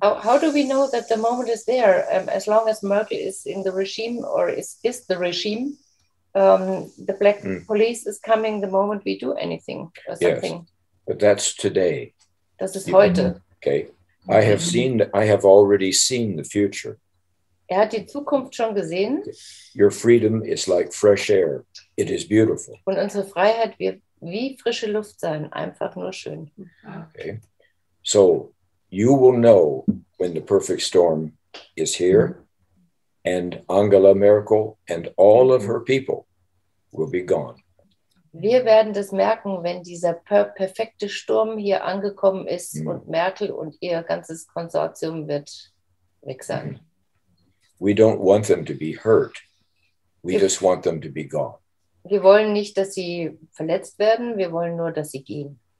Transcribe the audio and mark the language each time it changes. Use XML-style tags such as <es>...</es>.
<en>How do we know that the moment is there? As long as Merkel is in the regime or is the regime, the black police is coming the moment we do anything or something. Yes, but that's today.</en> <de>Das ist heute.</de> <en>Okay. I have already seen the future.</en> <de>Er hat die Zukunft schon gesehen.</de> <en>Your freedom is like fresh air. It is beautiful.</en> <de>Und unsere Freiheit wird wie frische Luft sein, einfach nur schön.</de> <en>Okay. So, you will know when the perfect storm is here, and Angela Merkel and all of her people will be gone.</en> <de>Wir werden das merken, wenn dieser perfekte Sturm hier angekommen ist und Merkel und ihr ganzes Konsortium wird weg sein.</de> <en>We don't want them to be hurt. We just want them to be gone.</en> <de>Wir wollen nicht, dass sie verletzt werden, wir wollen nur, dass sie gehen.</de>